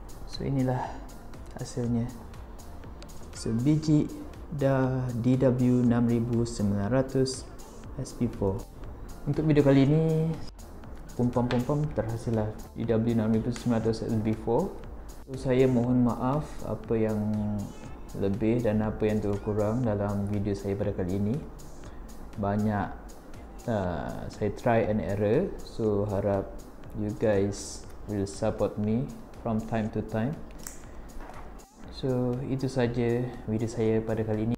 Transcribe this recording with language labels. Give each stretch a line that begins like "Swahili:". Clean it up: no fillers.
Malay: So inilah hasilnya. Sebiji dah DW6900 SP4. Untuk video kali ini pom-pom-pom terhasillah DW6900 SP4. So saya mohon maaf apa yang lebih dan apa yang terkurang dalam video saya pada kali ini. Banyak saya
English: try and error, so
Malay: harap
English: you guys will support me from time to time.
Malay: So itu saja video saya pada kali ini.